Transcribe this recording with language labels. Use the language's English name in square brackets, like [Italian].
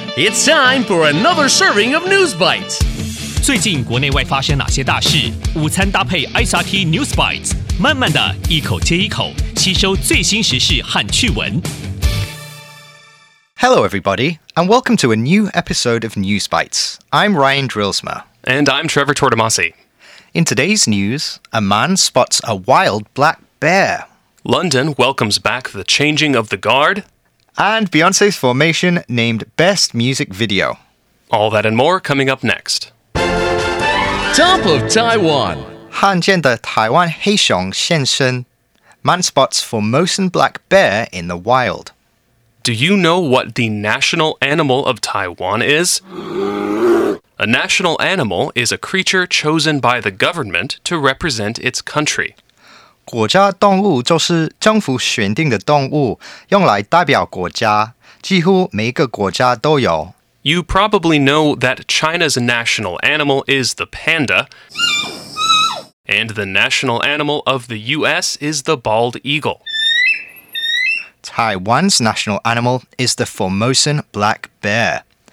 [English] It's time for another serving of News Bites. [Chinese] 最近国内外发生哪些大事？午餐搭配 SRT News Bites， 慢慢的一口接一口，吸收最新时事和趣闻。 [English] Hello, everybody, and welcome to a new episode of News Bites. I'm Ryan Drilsma. And I'm Trevor Tortomasi. In today's news, a man spots a wild black bear. London welcomes back the changing of the guard. And Beyoncé's formation named Best Music Video. All that and more coming up next. Top of Taiwan. [Chinese] 罕见的台湾黑熊现身。 [English] Man spots Formosan black bear in the wild. Do you know what the national animal of Taiwan is? A national animal is a creature chosen by the government to represent its country. [Chinese] 国家动物就是政府选定的动物，用来代表国家，几乎每个国家都有。 [English] You probably know that China's national animal is the panda, and the national animal of the U.S. is the bald eagle. Taiwan's national animal is the Formosan black bear.